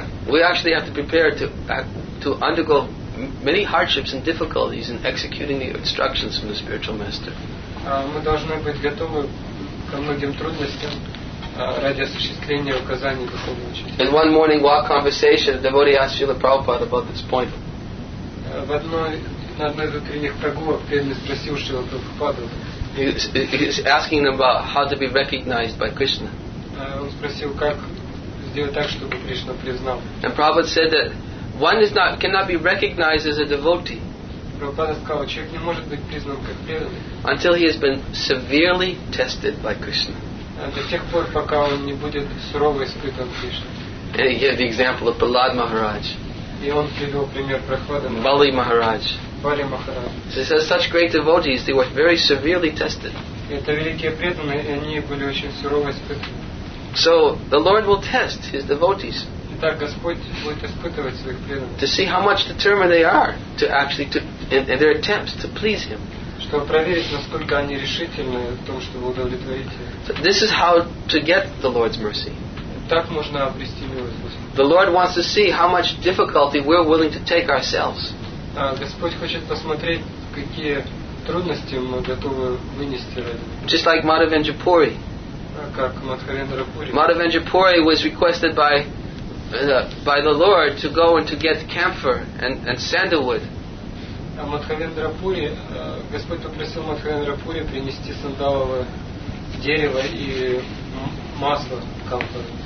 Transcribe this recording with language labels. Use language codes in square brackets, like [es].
[en] We actually have to prepare to undergo many hardships and difficulties in executing the instructions from the spiritual master. [ru] Мы должны быть готовы ко многим трудностям ради осуществления указаний духовного учителя. [en] In one morning walk conversation, the devotee asked Srila Prabhupada about this point. [ru] На одной из утренних прогулок преданный спросил Шрила Прабхупаду. [en] He's asking about how to be recognized by Krishna. [ru] Он спросил, как сделать так, чтобы Кришна признал. [en] And Prabhupada said that one is not cannot be recognized as a devotee. [ru] Прабхупада сказал, человек не может быть признан как преданный. [en] Until he has been severely tested by Krishna. [ru] До тех пор, пока он не будет сурово испытан Кришной. [en] And he gave the example of Prahlad Maharaj. [ru] И он привел пример Прахлада. Бали Махарадж. Бали Махарадж. [en] So he says such great devotees, they were very severely tested. [ru] Это великие преданные, и они были очень сурово испытаны. [en] So the Lord will test his devotees. [ru] Итак, Господь будет испытывать своих преданных. [en] To see how much determined they are to actually to in their attempts to please him. [ru] Чтобы проверить, насколько они решительны в том, чтобы удовлетворить его. [en] So this is how to get the Lord's mercy. [ru] Так можно обрести милость Господа. [en] The Lord wants to see how much difficulty we're willing to take ourselves. [ru] Господь хочет посмотреть, какие трудности мы готовы вынести ради. [en] Just like Madhavendra Puri. [ru] Как Мадхавендра Пури. [en] Madhavendra Puri was requested by the Lord to go and to get camphor and sandalwood. [ru] Мадхавендра Пури, Господь попросил Мадхавендра Пури принести сандаловое дерево и масло камфор.